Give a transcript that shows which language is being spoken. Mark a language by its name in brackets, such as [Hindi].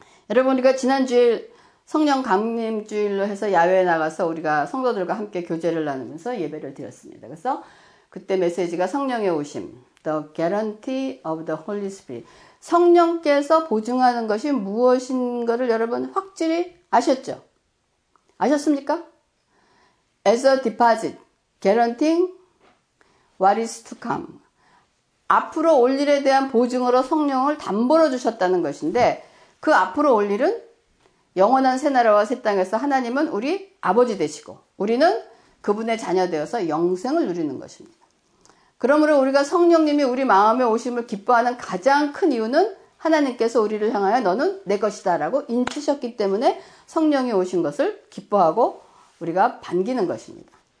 [Korean] 여러분, 우리가 지난주일 성령 강림주일로 해서 야외에 나가서 우리가 성도들과 함께 교제를 나누면서 예배를 드렸습니다. 그래서 그때 메시지가 성령의 오심. [English] The guarantee of the Holy Spirit. [Korean] 성령께서 보증하는 것이 무엇인가를 여러분 확실히 아셨죠? 아셨습니까? [English] As a deposit, guaranteeing what is to come. [Korean] 앞으로 올 일에 대한 보증으로 성령을 담보로 주셨다는 것인데, 그 앞으로 올 일은 영원한 새나라와 새 땅에서 하나님은 우리 아버지 되시고, 우리는 그분의 자녀 되어서 영생을 누리는 것입니다. 그러므로 우리가 성령님이 우리 마음에 오심을 기뻐하는 가장 큰 이유는 하나님께서 우리를 향하여 너는 내 것이다 라고 인치셨기 때문에 성령이 오신 것을 기뻐하고 우리가 반기는 것입니다.